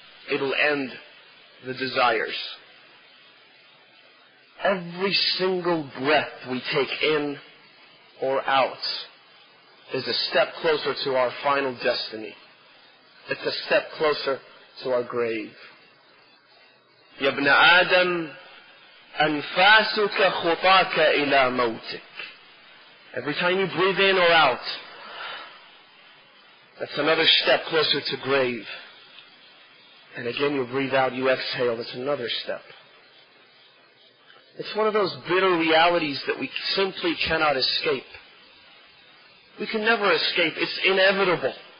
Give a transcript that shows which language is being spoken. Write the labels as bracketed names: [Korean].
[English] It'll end the desires. Every single breath we take in or out is a step closer to our final destiny. It's a step closer to our grave. [Arabic] يا ابن آدم أنفاسك خطاك إلى موتك. [English] Every time you breathe in or out, that's another step closer to grave. And again you breathe out, you exhale, that's another step. It's one of those bitter realities that we simply cannot escape. We can never escape. It's inevitable.